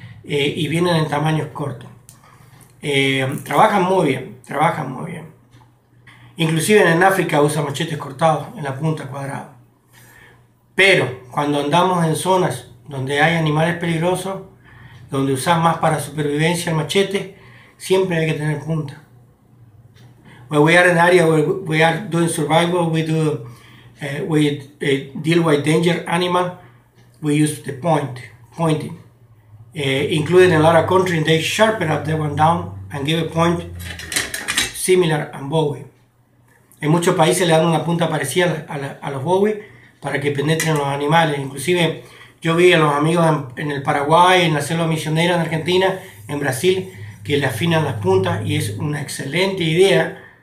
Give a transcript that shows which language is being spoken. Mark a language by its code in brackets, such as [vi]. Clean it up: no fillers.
[es] Y vienen en tamaños cortos. Trabajan muy bien, trabajan muy bien. Inclusive en África usa machetes cortados en la punta cuadrada. Pero cuando andamos en zonas donde hay animales peligrosos, donde usas más para supervivencia el machete, siempre hay que tener punta. [en] When we are in an area where we are doing survival, we do deal with danger animal, we use the pointing. Including a lot of countries, they sharpen up that one down and give a point similar a Bowie. [es] En muchos países le dan una punta parecida a los Bowie para que penetren los animales. Inclusive yo vi a los amigos en el Paraguay, en la selva misionera, en Argentina, en Brasil, que le afinan las puntas y es una excelente idea.